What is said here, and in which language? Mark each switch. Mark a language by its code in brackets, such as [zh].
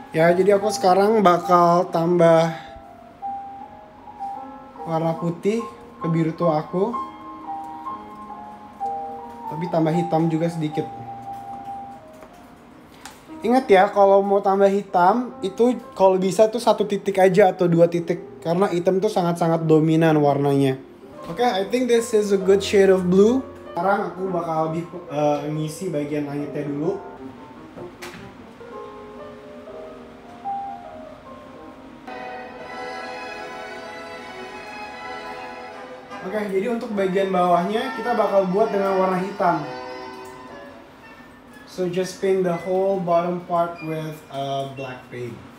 [id] Ya, jadi aku sekarang bakal tambah warna putih ke biru tua aku. Tapi tambah hitam juga sedikit. Ingat ya, kalau mau tambah hitam, itu kalau bisa tuh satu titik aja atau dua titik, karena hitam tuh sangat-sangat dominan warnanya. [en] Oke, okay, I think this is a good shade of blue. [id] Sekarang aku bakal lebih ngisi bagian langitnya dulu. Oke, okay, jadi untuk bagian bawahnya kita bakal buat dengan warna hitam. [en] So just paint the whole bottom part with a black paint.